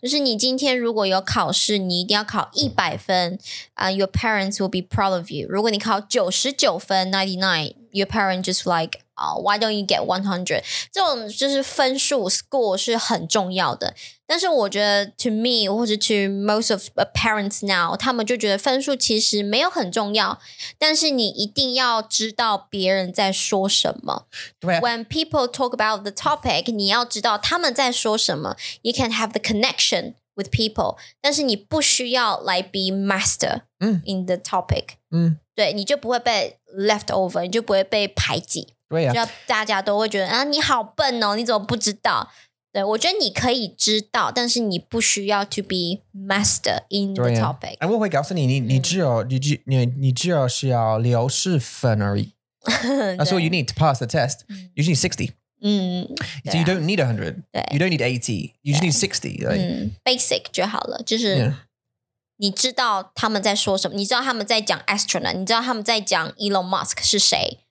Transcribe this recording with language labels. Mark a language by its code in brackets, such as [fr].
[zh] 就是你今天如果有考试，你一定要考100分。 [en] Your parents will be proud of you. [zh] 如果你考99分 ，99， [en] your parents just like, oh, why don't you get 100？ [zh] 这种就是分数 score 是很重要的。但是我觉得 ， [en] to me [zh] 或者 [en] to most of parents now， [zh] 他们就觉得分数其实没有很重要。但是你一定要知道别人在说什么。对、啊。 [en] When people talk about the topic， [zh] 你要知道他们在说什么。 [en] You can have the connection with people， [zh] 但是你不需要来 [en] be master、嗯、 in the topic。嗯。 [zh] 对，你就不会被 [en] left over， [zh] 你就不会被排挤。对呀、啊。就大家都会觉得啊，你好笨哦，你怎么不知道？对，我觉得你可以知道，但是你不需要 [en] to be master in the topic。 [zh] 我会告诉你，你只有、嗯、你只有需要六十分而已。 [en] That's all you need to pass the test. You just need 60. 嗯、啊、，So you don't need 100. You don't need 80. You just need 60. Like, [zh] basic 就好了，就是你知道他们在说什么，你知道他们在讲 astronaut， 你知道他们在讲 Elon Musk 是谁，